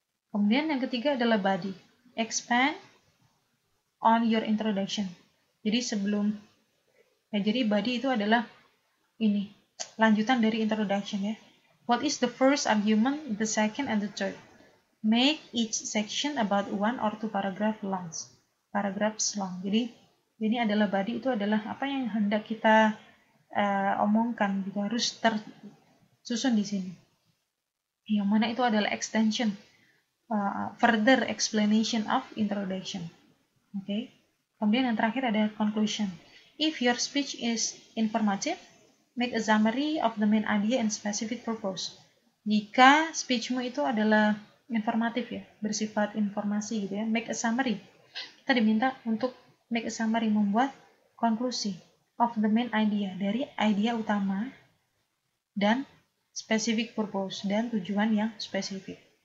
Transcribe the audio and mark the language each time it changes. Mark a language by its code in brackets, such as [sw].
[id] Kemudian yang ketiga adalah body. [en] Expand on your introduction. [id] Jadi sebelum, ya jadi body itu adalah ini, lanjutan dari introduction ya. [en] What is the first argument, the second, and the third? Make each section about one or two paragraphs long. [id] Jadi ini adalah body, itu adalah apa yang hendak kita omongkan, gitu, harus tersusun di sini. Yang mana itu adalah extension. [en] Further explanation of introduction. Okay. [id] Kemudian yang terakhir ada conclusion. [en] If your speech is informative, make a summary of the main idea and specific purpose. [id] Jika speechmu itu adalah informatif ya, bersifat informasi gitu ya, [en] make a summary. [id] Kita diminta untuk [en] make a summary, [id] membuat konklusi [en] of the main idea, [id] dari idea utama dan specific purpose dan tujuan yang spesifik.